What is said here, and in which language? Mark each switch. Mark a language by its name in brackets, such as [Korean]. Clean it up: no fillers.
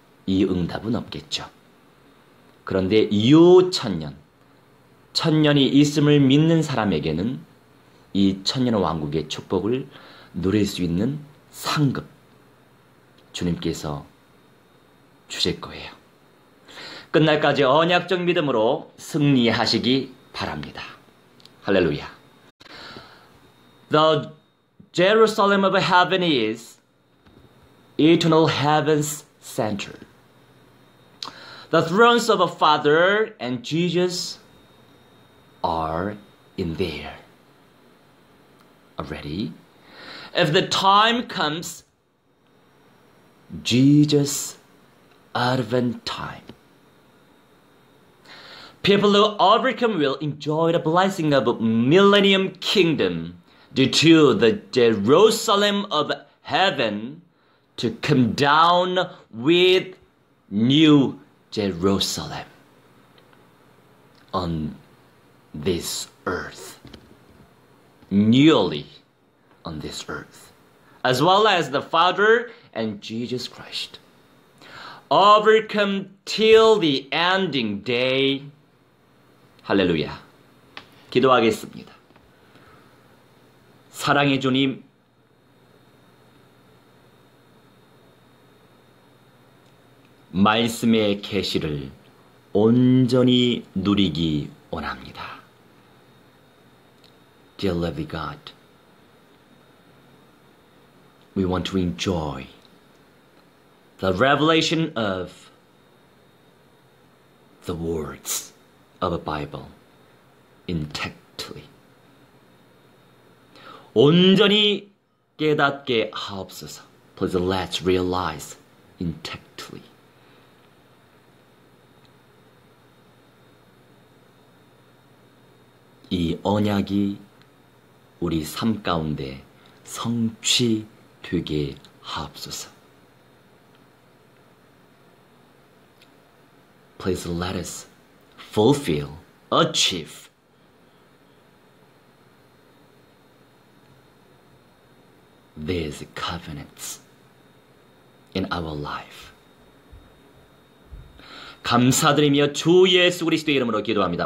[Korean] 이 응답은 없겠죠. 그런데 요천년, 천년이 있음을 믿는 사람에게는 이 천년 왕국의 축복을 누릴 수 있는 상급 주님께서 주실 거예요. 끝날까지 언약적 믿음으로 승리하시기 바랍니다. 할렐루야. [English] The Jerusalem of heaven is eternal heaven's center. The thrones of the Father and Jesus are in there. Already, if the time comes, Jesus' advent time, people who overcome will enjoy the blessing of millennium kingdom due to the Jerusalem of heaven to come down with new Jerusalem on this earth. Newly on this earth, as well as the Father and Jesus Christ, overcome till the ending day. [Korean] Hallelujah. 기도하겠습니다. 사랑의 주님, 말씀의 계시를 온전히 누리기 원합니다. [English] Dear loving God, we want to enjoy the revelation of the words of the Bible intactly. [Korean] 온전히 깨닫게 하옵소서. [English] Please let's realize intactly. [Korean] 이 언약이 우리 삶 가운데 성취되게 하옵소서. [English] Please let us fulfill, achieve these covenants in our life. [Korean] 감사드리며 주 예수 그리스도의 이름으로 기도합니다.